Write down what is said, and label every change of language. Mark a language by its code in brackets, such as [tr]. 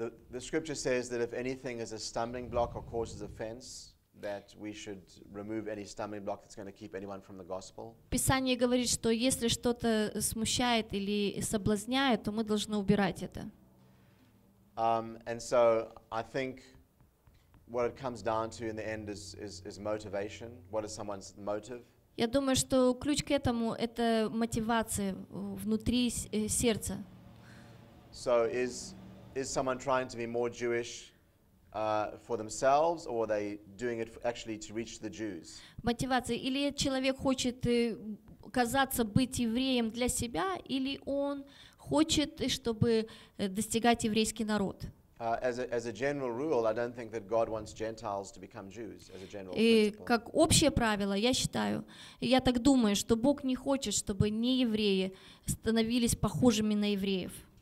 [en] The scripture says that if anything is a stumbling block or causes offense, that we should remove any stumbling block that's going to keep anyone from the gospel. [ru] Писание говорит, что если что-то смущает или соблазняет, то мы должны убирать это. [en] And so I think what it comes down to in the end is motivation. What is someone's motive? [ru] Я думаю, что ключ к этому это мотивация внутри сердца. [en] So is someone trying to be more Jewish? For themselves, or are they doing it actually to reach the Jews? [ru] Мотивация. Или человек хочет казаться быть евреем для себя, или он хочет, чтобы достигать еврейский народ. [en] As a general rule, I don't think that God wants Gentiles to become Jews. As a general principle. [ru] Как общее правило, я считаю, я так думаю, что Бог не хочет, чтобы неевреи становились похожими на евреев.